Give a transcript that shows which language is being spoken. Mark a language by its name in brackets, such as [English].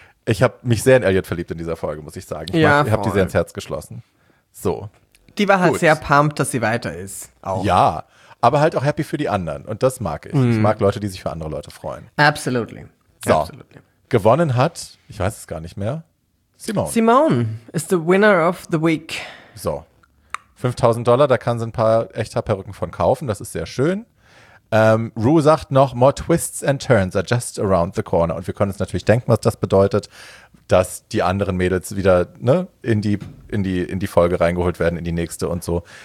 [German] Ich habe mich sehr in Elliot verliebt in dieser Folge, muss ich sagen. Ich habe die sehr ins Herz geschlossen. So. Die war halt sehr pumped, dass sie weiter ist. Auch. Ja, aber halt auch happy für die anderen. Und das mag ich. Mm. Ich mag Leute, die sich für andere Leute freuen. [English] Absolutely. So. Absolutely. [German] Gewonnen hat, ich weiß es gar nicht mehr, Simone. [English] Simone is the winner of the week. [German] So. $5,000, da kann sie ein paar Echthaarperücken von kaufen. Das ist sehr schön. Rue sagt noch, [English] more twists and turns are just around the corner. [German] Und wir können uns natürlich denken, was das bedeutet, dass die anderen Mädels wieder, ne, in die Folge reingeholt werden, in die nächste und so.